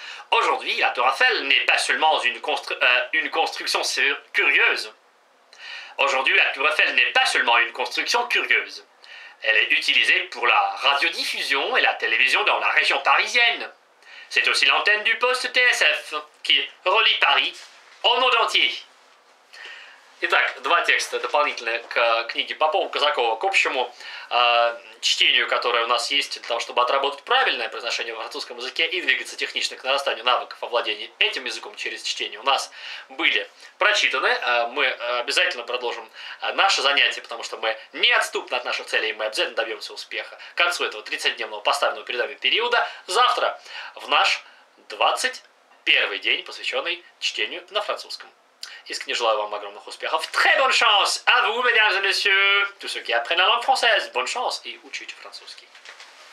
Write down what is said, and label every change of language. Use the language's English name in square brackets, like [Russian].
[French] Aujourd'hui, la Tour Eiffel n'est pas seulement une construction curieuse. Aujourd'hui, la Tour Eiffel n'est pas seulement une construction curieuse. Elle est utilisée pour la radiodiffusion et la télévision dans la région parisienne. C'est aussi l'antenne du poste TSF qui relie Paris au monde entier. [Russian] Итак, два текста дополнительные к книге Попова Казакова к общему чтению, которое у нас есть для того, чтобы отработать правильное произношение в французском языке и двигаться технично к нарастанию навыков овладения этим языком через чтение у нас были прочитаны. Мы обязательно продолжим наше занятие, потому что мы неотступны от наших целей, и мы обязательно добьемся успеха к концу этого 30-дневного поставленного перед нами периода завтра в наш 21-й день, посвященный чтению на французском. Искренне желаю вам огромных успехов. [French] Très bonne chance à vous, mesdames et messieurs. Tous ceux qui apprennent la langue française, bonne chance et [Russian] учите французский.